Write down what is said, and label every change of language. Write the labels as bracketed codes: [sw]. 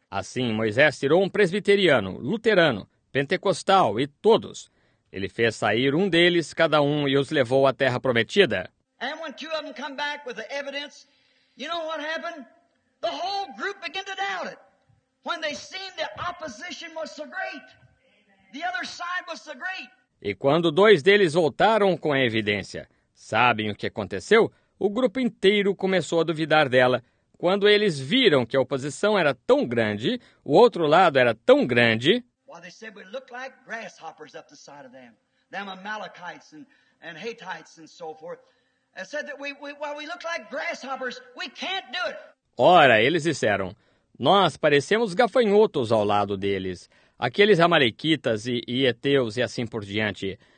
[pt] Assim, Moisés tirou um presbiteriano, luterano, pentecostal e todos. Ele fez sair um deles, cada um, e os levou à terra prometida. [en] And when two of them come back with the evidence, you know what happened? The whole group began to doubt it. When they seen the opposition was so great, the other side was so great. [pt] E quando dois deles voltaram com a evidência, sabem o que aconteceu? O grupo inteiro começou a duvidar dela. Quando eles viram que a oposição era tão grande, o outro lado era tão grande. [en] Well, they said we look like grasshoppers up the side of them. Them Amalekites and Hittites and so forth. They said that we look like grasshoppers, we can't do it. [pt] Ora, eles disseram, nós parecemos gafanhotos ao lado deles, aqueles amalequitas e eteus e assim por diante.